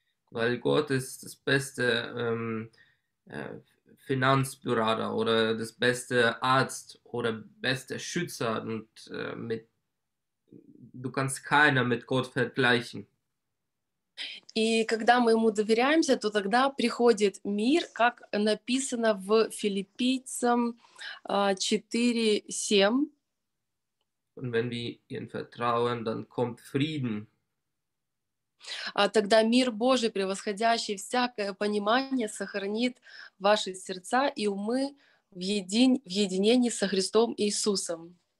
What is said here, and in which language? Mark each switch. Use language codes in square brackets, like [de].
[de] Weil Gott ist das beste Finanzberater oder das beste Arzt oder beste Schützer und mit du kannst keiner mit Gott vergleichen. [ru] И когда мы ему доверяемся, то тогда приходит мир, как написано в Филиппийцам 4:7. [de] Und wenn wir ihm vertrauen, dann kommt Frieden. [ru] А тогда мир Божий, превосходящий всякое понимание, сохранит ваши сердца и умы в единении со Христом Иисусом.